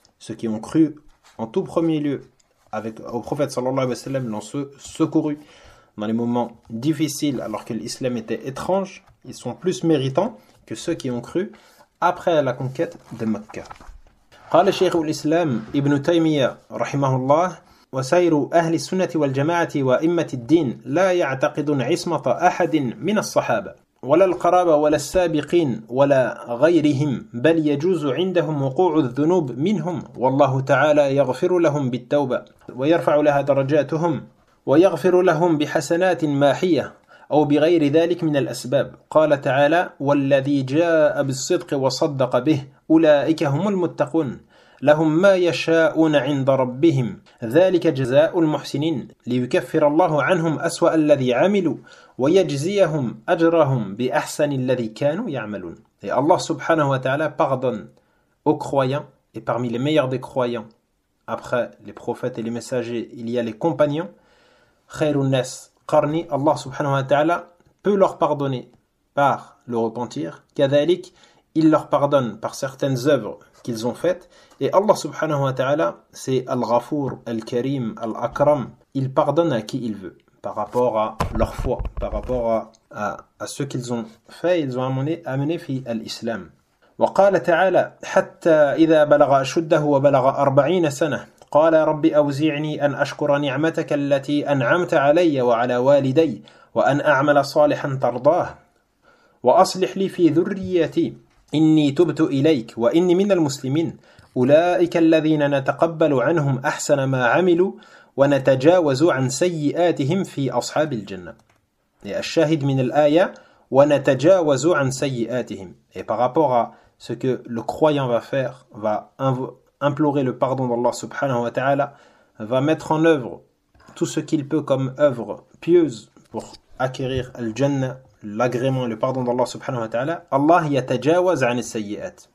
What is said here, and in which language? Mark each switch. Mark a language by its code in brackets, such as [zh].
[fr] Ceux qui ont cru en tout premier lieu au prophète sallallahu alayhi wa sallam l'ont secouru dans les moments difficiles alors que l'islam était étrange, ils sont plus méritants que ceux qui ont cru après la conquête de Mecque. [ar] قال شيخ الإسلام ابن تيمية رحمه الله وسير أهل السنة والجماعة وأئمة الدين لا يعتقدون عصمة أحد من الصحابة ولا القرابة ولا السابقين ولا غيرهم بل يجوز عندهم وقوع الذنوب منهم والله تعالى يغفر لهم بالتوبة ويرفع لها درجاتهم ويغفر لهم بحسنات ماحية أو بغير ذلك من الأسباب قال تعالى والذي جاء بالصدق وصدق به أولئك هم المتقون لهم ما يشاءون عند ربهم ذلك جزاء المحسنين ليكفر الله عنهم أسوأ الذي عملوا ويجزيهم أجرهم بأحسن الذي كانوا يعملون. [fr] Et Allah subhanahu wa ta'ala pardonne aux croyants et parmi les meilleurs des croyants après les prophètes et les messagers il y a les compagnons [ar] khairun nas qarni. [fr] Allah subhanahu wa ta'ala peut leur pardonner par le repentir, [ar] كذلك [fr] il leur pardonne par certaines œuvres qu'ils ont faites. Et Allah subhanahu wa ta'ala, c'est Al-Ghafour, Al-Karim, Al-Akram. Il pardonne à qui il veut, par rapport à leur foi, par rapport à ce qu'ils ont fait, ils ont amené [ar] fi al-Islam. Wa qala ta'ala, hatta idha balaga ashuddahu wa balaga 40 sana. Qala rabbi awzi'ni an ashkura ni'mataka allati an'amta alayya wa ala waliday, wa an a'mala salihan tardah. وأصلح لي في ذريتي إني تبت إليك وإني من المسلمين أولئك الذين نتقبل عنهم أحسن ما عملوا ونتجاوز عن سيئاتهم في أصحاب الجنة. الشاهد من الآية ونتجاوز عن سيئاتهم. [fr] Et par rapport à ce que le croyant va faire, va implorer le pardon d'Allah subhanahu wa ta'ala, va mettre en œuvre tout ce qu'il peut comme œuvre pieuse pour acquérir al-jannah, l'agrément et le pardon d'Allah subhanahu wa ta'ala, Allah [ar] yatajawaz an as-sayyi'at.